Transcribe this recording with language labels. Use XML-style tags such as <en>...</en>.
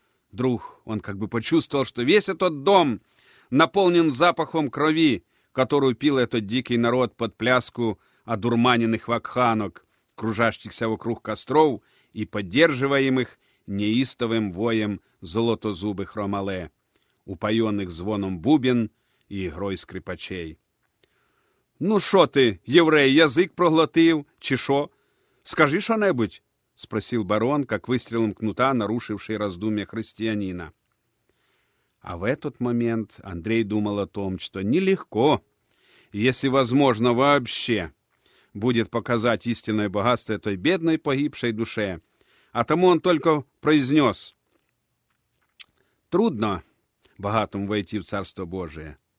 <ru>Вдруг он как бы почувствовал, что весь этот дом наполнен запахом крови, которую пил этот дикий народ под пляску одурманенных вакханок, кружащихся вокруг костров и поддерживаемых неистовым воем золотозубых ромале, упоенных звоном бубен</ru> <uk>і ігрою скрипачей. «Ну що ти, єврей, язик проглотив? Чи що? Скажи що-небудь?» –</uk> <ru>спросив барон,</ru> <uk>як вистрілом кнута, нарушивши роздум'я християнина.</uk> <ru>А в этот момент Андрей думал о том, что нелегко, если возможно вообще, будет показать истинное богатство этой бедной погибшей душе. А тому он только произнес: «Трудно богатым войти в Царство Божие.</ru>